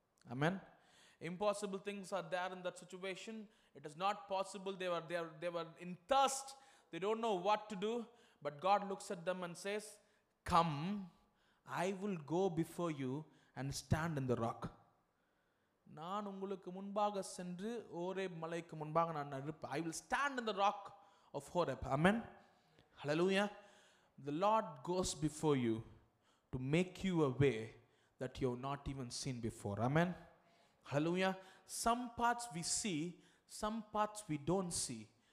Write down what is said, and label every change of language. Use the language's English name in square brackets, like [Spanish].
[English] Amen. Impossible things are there in that situation. It is not possible. They were in thirst. They don't know what to do. But God looks at them and says, come, I will go before you and stand in the rock. [Tamil] நான் உங்களுக்கு முன்பாக சென்று ஓரே மலைக்கு முன்பாக நான் இருப்பேன். [English] I will stand in the rock of Horeb. Amen. Hallelujah. The Lord goes before you to make you a way that you have not even seen before. Amen. Hallelujah. Some parts we see, some parts we don't see.